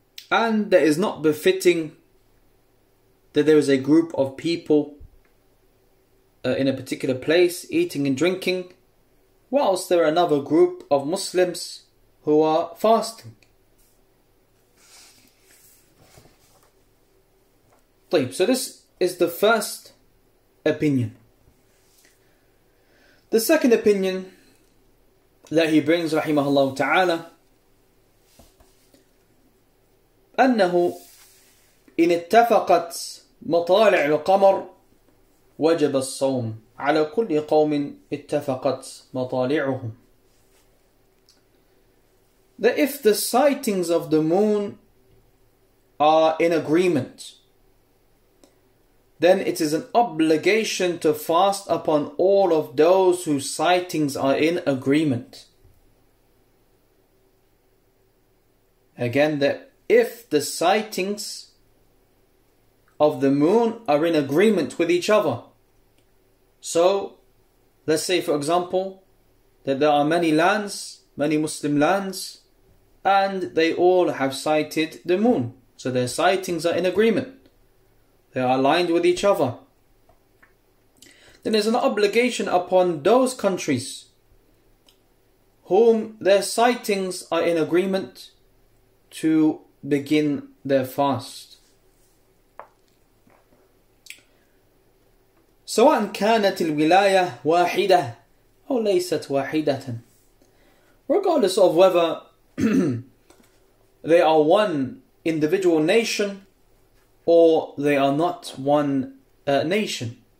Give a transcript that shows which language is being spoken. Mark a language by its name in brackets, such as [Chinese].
[English] And that is not befitting that there is a group of people in a particular place eating and drinking whilst there are another group of Muslims who are fasting. So this is the first opinion. The second opinion that he brings, rahimahullah ta'ala, [Arabic] أنه إن اتفقت مطالع القمر وجب الصوم على كل قوم اتفقت مطالعهم. [English] That if the sightings of the moon are in agreement, then it is an obligation to fast upon all of those whose sightings are in agreement. Again, that if the sightings of the moon are in agreement with each other. So, let's say for example, that there are many lands, many Muslim lands, and they all have sighted the moon. So their sightings are in agreement. They are aligned with each other. Then there's an obligation upon those countries whom their sightings are in agreement to begin their fast. [Arabic] سواء كانت الولاية واحدة أو ليست واحدة. [English] Regardless of whether they are one individual nation or they are not one nation.